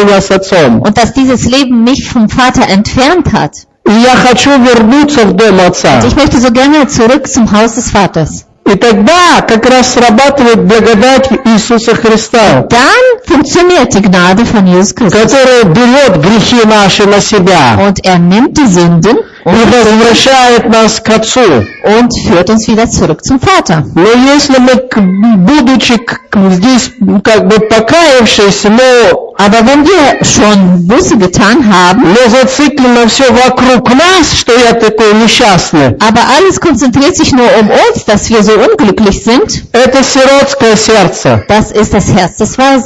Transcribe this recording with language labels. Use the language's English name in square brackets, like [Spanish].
[German] Und dass dieses Leben mich vom Vater entfernt hat. Und ich möchte so gerne zurück zum Haus des Vaters. [Russian] И тогда как раз срабатывает благодать Иисуса Христа, [German] dann funktioniert die Gnade von Jesus Christus, [Russian] которая берет грехи наши на себя [German] und er nimmt die Sünden [Russian] und и возвращает нас к Отцу [German] und führt uns wieder zurück zum Vater. [Russian] Но если мы, будучи здесь как бы покаявшись, но [German] aber wenn wir schon Buße getan haben, aber alles konzentriert sich nur um uns, dass wir so unglücklich sind, das ist das Herz des